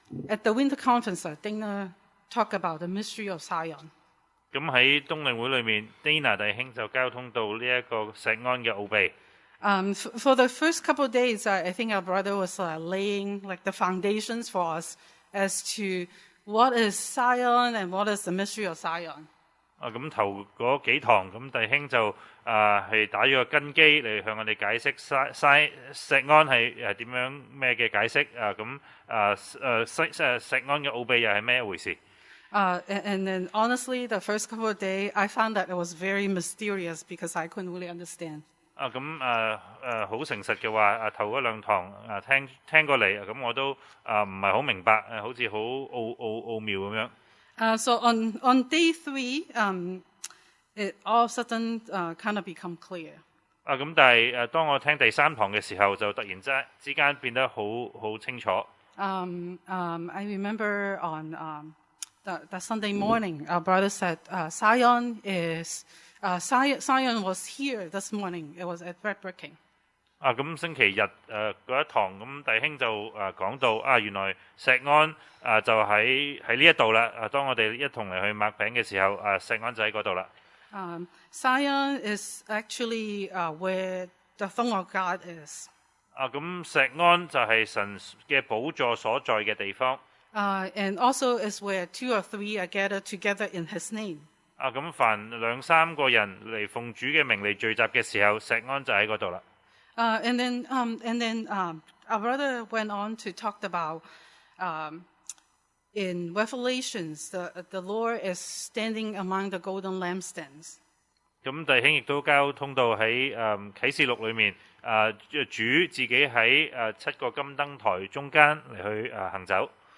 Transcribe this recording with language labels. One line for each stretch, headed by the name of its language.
English: At the Winter Conference, Dana talked about the mystery of Zion.
Cantonese: 咁喺冬令会里面 ，Dana 弟兄就交通到呢一个锡安嘅奥秘。
English: For the first couple of days, I think our brother was laying like the foundations for us as to what is Zion and what is the mystery of Zion.
Cantonese: 咁头嗰几堂，咁弟兄就系打咗个根基嚟向我哋解释锡安系点样咩嘅解释啊？咁锡安嘅奥秘又系咩一回事？
English: And then honestly, the first couple of days, I found that it was very mysterious because I couldn't really understand.
Cantonese: 好誠實嘅話，頭嗰兩堂聽過嚟，咁我都唔係好明白，好似好奧妙咁樣。
English: So on day three, it all of a sudden kind of become clear.
Cantonese: 咁但係當我聽第三堂嘅時候，就突然之間變得好清楚。
English: I remember on the Sunday morning, our brother said, "Zion is." Zion was here this morning. It was at red breaking.
Cantonese: 咁星期日嗰一堂，咁弟兄就讲到原来锡安就喺呢一度啦。当我哋一同嚟去擘饼嘅时候，锡安就喺嗰度啦。
English: Zion is actually where the throne of God is.
Cantonese: 咁锡安就系神嘅宝座所在嘅地方。
English: And also is where two or three are gathered together in His name.
Cantonese: 咁凡兩三個人嚟奉主嘅名嚟聚集嘅時候，石安就喺嗰度啦。
English: Our brother went on to talk about in Revelations, the Lord is standing among the golden lampstands.
Cantonese: 咁弟兄亦都交通到喺啟示錄裏面，主自己喺七個金燈台中間嚟去行走。